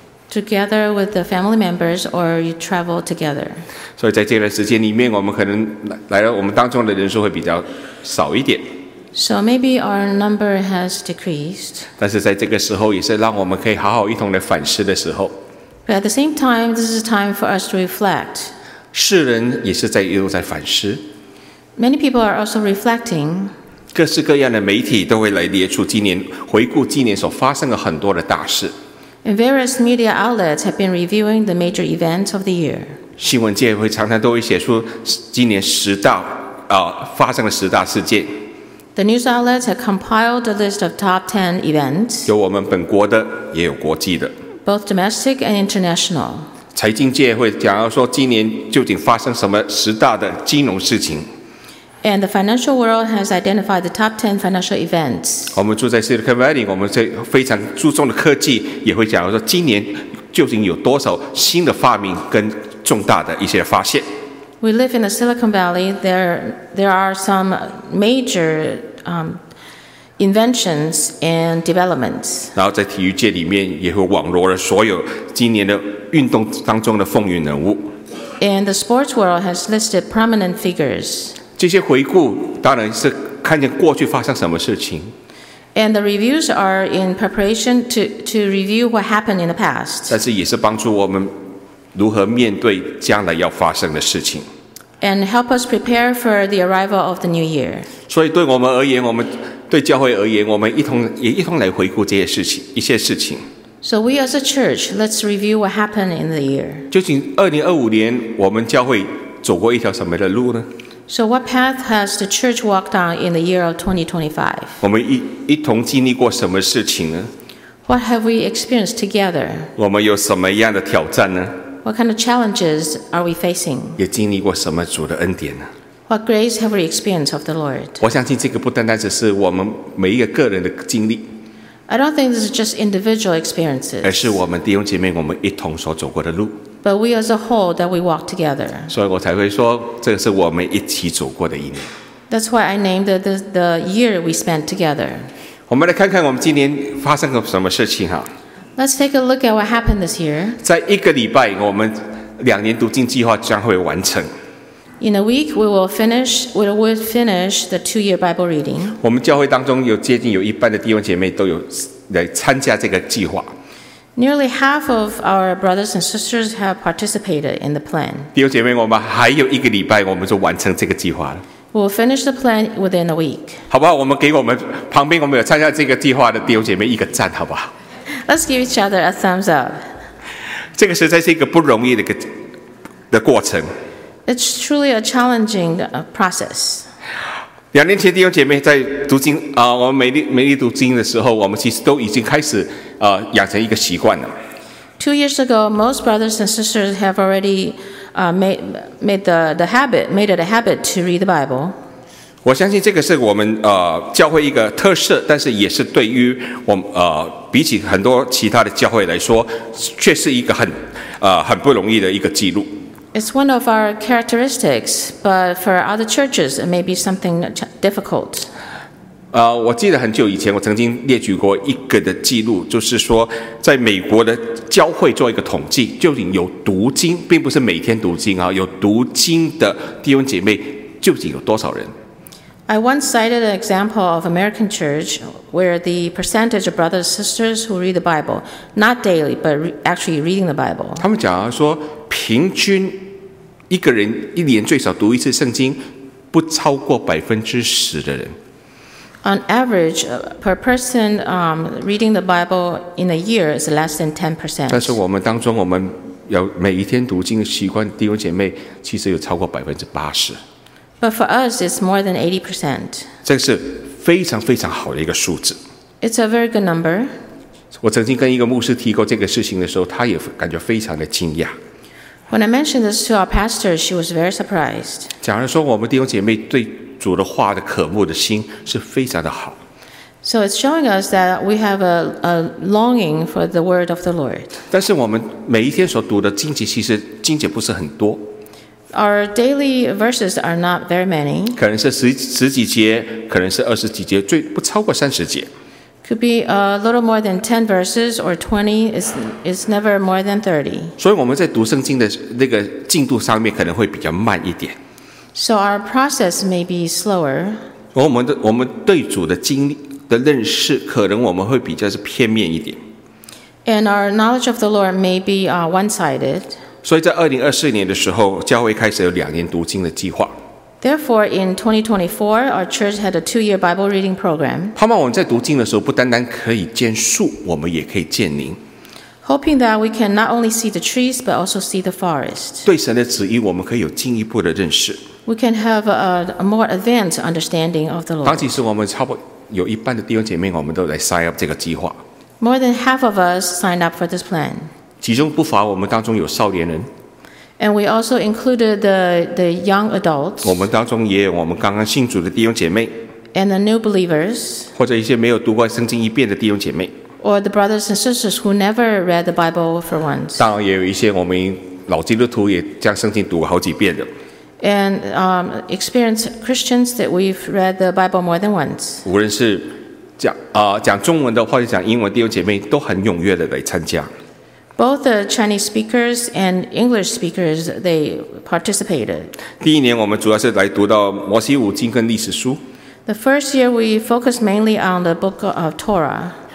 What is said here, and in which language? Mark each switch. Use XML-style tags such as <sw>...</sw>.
<en>Together with the family members, or you travel together.</en> <zh>所以在这段时间里面，我们可能来到我们当中的人数会比较少一点。</zh> <en>So maybe our number has decreased.</en> <zh>但是在这个时候，也是让我们可以好好一同来反思的时候。</zh> <en>But at the same time, this is time for us to reflect.</en> <zh>世人也是在一路在反思。</zh> <en>Many people are also reflecting.</en> <zh>各式各样的媒体都会来列出今年回顾今年所发生的很多的大事。</zh> <en>And various media outlets have been reviewing the major events of the year.</en> <zh>新闻界会常常都会写出今年十大发生的十大事件。</zh> <en>The news outlets have compiled a list of top 10 events.</en> <zh>有我们本国的，也有国际的。</zh> <en>Both domestic and international.</en> <zh>财经界会讲到说今年究竟发生什么十大的金融事情。</zh> <en>And the financial world has identified the top 10 financial events.</en> <zh>我们住在 Silicon Valley， 我们在非常注重的科技，也会讲说今年究竟有多少新的发明跟重大的一些发现。</zh> <en>We live in the Silicon Valley. There are some major inventions and developments.</en> <zh>然后在体育界里面也会网罗了所有今年的运动当中的风云人物。</zh> <en>And the sports world has listed prominent figures.</en> <zh>这些回顾当然是看见过去发生什么事情。</zh> <en>And the reviews are in preparation to review what happened in the past.</en> <zh>但是也是帮助我们如何面对将来要发生的事情。</zh> <en>And help us prepare for the arrival of the new year.</en> <zh>所以对我们而言，我们对教会而言，我们一同来回顾这些事情，一些事情。</zh> <en>So we as a church, let's review what happened in the year.</en> <zh>究竟2025年我们教会走过一条什么的路呢？</zh> <en>So what path has the church walked on in the year of 2025?</en> <zh>我们 一同经历过什么事情呢？</zh> <en>What have we experienced together?</en> <zh>我们有什么样的挑战呢？</zh> <en>What kind of challenges are we facing?</en> <zh>也经历过什么主的恩典呢？</zh> <en>What grace have we experienced of the Lord?</en> <zh>我相信这个不单单只是我们每一个个人的经历。</zh> <en>I don't think this is just individual experiences.</en> <zh>而是我们弟兄姐妹我们一同所走过的路。</zh> <en>But we as a whole that we walk together.</en> <zh>所以我才会说，这是我们一起走过的一年。</zh> <en>That's why I named the year we spent together.</en> <zh>我们来看看我们今年发生了什么事情哈。</zh> <en>Let's take a look at what happened this year.</en> <zh>在一个礼拜，我们两年读经计划将会完成。</zh> <en>In a week, we will finish the two-year Bible reading.</en> <zh>我们教会当中有接近有一半的弟兄姐妹都有来参加这个计划。</zh> <en>Nearly half of our brothers and sisters have participated in the plan.</en> <zh>弟兄姐妹，我们还有一个礼拜，我们就完成这个计划了。</zh> <en>We'll finish the plan within a week.</en> <zh>好不好？我们给我们旁边我们有参加这个计划的弟兄姐妹一个赞，好不好</zh> <en>？Let's give each other a thumbs up.</en> <zh>这个实在是一个不容易的过程。</zh> <en>It's truly a challenging process.</en> <zh>两年前，弟兄姐妹在读经啊、我们每日读经的时候，我们其实都已经开始。养成一个习惯了。</zh> <en>Two years ago, most brothers and sisters have already made it a habit to read the Bible.</en> <zh>我相信这个是我们教会一个特色，但是也是对于我们比起很多其他的教会来说，却是一个很不容易的一个记录。</zh> <en>It's one of our characteristics, but for other churches, it may be something difficult.</en> <zh>我记得很久以前我曾经列举过一个的记录，就是说在美国的教会做一个统计，究竟有读经，并不是每天读经啊，有读经的弟兄姐妹究竟有多少人。</zh> <en>I once cited an example of American church where the percentage of brothers and sisters who read the Bible, not daily, but actually reading the Bible.</en> <zh>他们讲说平均一个人一年最少读一次圣经不超过 10% 的人。</zh> <en>On average, per person reading the Bible in a year is less than 10%.</en> <zh>但是我们当中，我们有每一天读经的习惯，弟兄姐妹其实有超过80%。</zh> <en>But for us, it's more than 80%.</en> <zh>这是非常非常好的一个数字。</zh> <en>It's a very good number.</en> <zh>我曾经跟一个牧师提过这个事情的时候，他也感觉非常的惊讶。</zh> <en>When I mentioned this to our pastor, she was very surprised.</en> <zh>假如说我们弟兄姐妹对主的话的渴慕的心是非常的好。</zh> <en>So it's showing us that we have a longing for the word of the Lord.</en> <zh>但是我们每一天所读的经节其实经节不是很多。</zh> <en>Our daily verses are not very many.</en> <zh>可能是十几节，可能是二十几节，最不超过30节。</zh> <en>Could be a little more than 10 verses or 20. It's never more than 30.</en> <zh>所以我们在读圣经的那个进度上面可能会比较慢一点。</zh> <en>So our process may be slower.</en> <zh>我们对主的经历的认识，可能我们会比较是片面一点。</zh> <en>And our knowledge of the Lord may be one-sided.</en> <zh>所以在2024年的时候，教会开始有两年读经的计划。</zh> <en>Therefore, in 2024, our church had a two-year Bible reading program.</en> <zh>盼望我们在读经的时候，不单单可以见树，我们也可以见灵。</zh> <en>Hoping that we can not only see the trees, but also see the forest.</en> <zh>对神的旨意，我们可以有进一步的认识。</zh> <en>We can have a more advanced understanding of the Lord.</en> <zh>当其实我们差不多有一半的弟兄姐妹，我们都来</zh> <en>sign up</en> <zh>这个计划。</zh> <en>More than half of us signed up for this plan.</en> <zh>其中不乏我们当中有少年人。</zh> <en>And we also included the young adults.</en> <zh>我们当中也有我们刚刚信主的弟兄姐妹。</zh> <en>And the new believers.</en> <zh>或者一些没有读过圣经一遍的弟兄姐妹。</zh> <en>Or the brothers and sisters who never read the Bible for once.</en> <zh>当然也有一些我们老基督徒也将圣经读过好几遍的。</zh> <en>And experienced Christians that we've read the Bible more than once.</en> <zh>无论是讲中文的或者讲英文，弟兄姐妹都很踊跃的来参加。</zh> <en>Both the Chinese speakers and English speakers, they participated.</en> <zh>第一年我们主要是来读到摩西五经跟历史书。</zh> <en>The first year we focused mainly on the book of Torah.</en>